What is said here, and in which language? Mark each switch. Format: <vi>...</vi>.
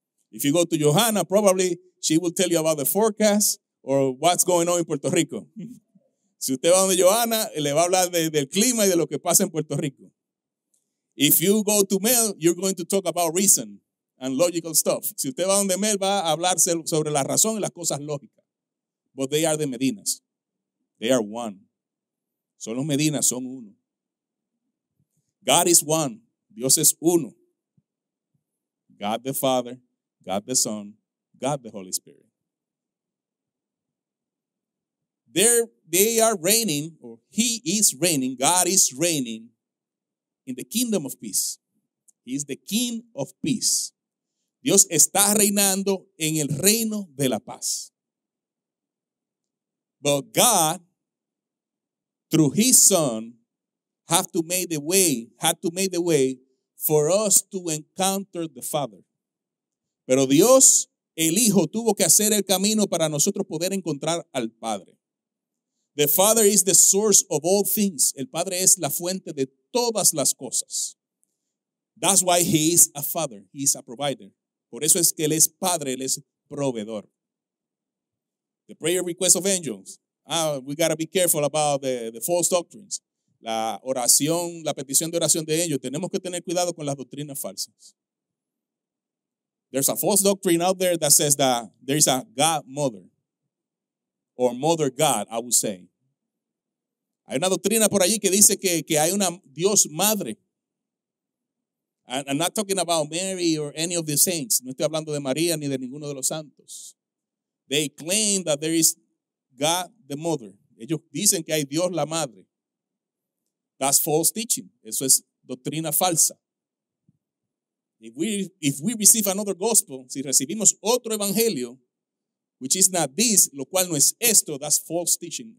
<en>If you go to Johanna, probably she will tell you about the forecast or what's going on in Puerto Rico.</en> <es>Si usted va donde Johanna, le va a hablar del clima y de lo que pasa en Puerto Rico.</es> <en>If you go to Mel, you're going to talk about reason and logical stuff.</en> <es>Si usted va donde Mel, va a hablar sobre la razón y las cosas lógicas.</es> <en>But they are the Medinas. They are one.</en> <es>Son los Medinas, son uno.</es> <en>God is one.</en> <es>Dios es uno.</es> <en>God the Father, God the Son, God the Holy Spirit. They are reigning, or he is reigning, God is reigning in the kingdom of peace. He is the King of Peace.</en> <es>Dios está reinando en el reino de la paz.</es> <en>But God, through his Son, had to make the way for us to encounter the Father.</en> <es>Pero Dios, el Hijo, tuvo que hacer el camino para nosotros poder encontrar al Padre.</es> <en>The Father is the source of all things.</en> <es>El Padre es la fuente de todas las cosas.</es> <en>That's why he is a father. He is a provider.</en> <es>Por eso es que él es Padre, él es proveedor.</es> <en>The prayer request of angels. We got to be careful about the false doctrines.</en> <es>La oración, la petición de oración de ellos. Tenemos que tener cuidado con las doctrinas falsas.</es> <en>There's a false doctrine out there that says that there is a God mother. Or mother God, I would say.</en> <es>Hay una doctrina por allí que dice que hay una Dios madre.</es> <en>I'm not talking about Mary or any of the saints.</en> <es>No estoy hablando de María ni de ninguno de los santos.</es> <en>They claim that there is God the mother.</en> <es>Ellos dicen que hay Dios la madre.</es> <en>That's false teaching.</en> <es>Eso es doctrina falsa.</es> <en>If we receive another gospel,</en> <es>si recibimos otro evangelio,</es> <en>which is not this,</en> <es>lo cual no es esto,</es> <en>that's false teaching.</en>